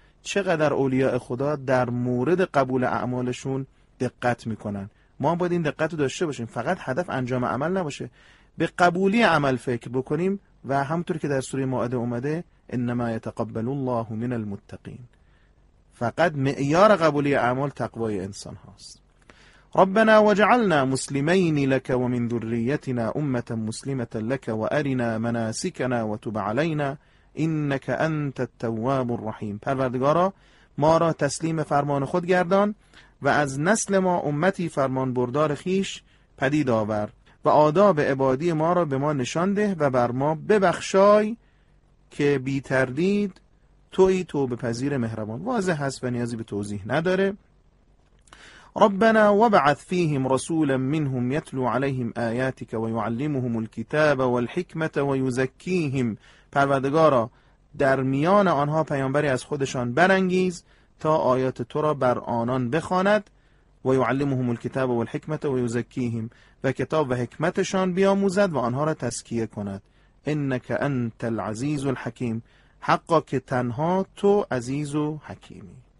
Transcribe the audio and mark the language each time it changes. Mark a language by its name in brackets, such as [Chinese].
[Persian] چقدر اولیاء خدا در مورد قبول اعمالشون دقت میکنن. ما هم باید این دقت رو داشته باشیم، فقط هدف انجام عمل نباشه، به قبولی عمل فکر بکنیم. و همطور که در سوره مائده اومده [Arabic] انما يتقبل الله من المتقین، [Persian] فقط معیار قبولی اعمال تقوای انسان هاست. [Arabic] ربنا وجعلنا مسلمين لك ومن ذريتنا أمة مسلمة لك وأرنا مناسكنا وتب علينا إنك أنت التواب الرحيم. [Persian] پروردگارا ما را تسلیم فرمان خود گردان و از نسل ما امتی فرمان بردار خیش پدید آور و آداب عبادی ما را به ما نشان ده و بر ما ببخشای که بی تردید توی توبه پذیر مهربان. واضح هست و نیازی به توضیح نداره. [Arabic] ربنا وبعث فيهم رسولا منهم يتلو عليهم آياتك ويعلمهم الكتاب والحكمة ويزكيهم. [Persian] پروردگارا در میان آنها پیامبری از خودشان برانگیز تا آیات تو را بر آنان بخواند. [Arabic] و يعلمهم الكتاب والحكمة ويزكيهم، [Persian] و کتاب و حکمتشان بیاموزد و آنها را تزکیه کند. [Arabic] انك انت العزيز الحكيم. [Persian] حقا که تنها تو عزیز و حکیمی.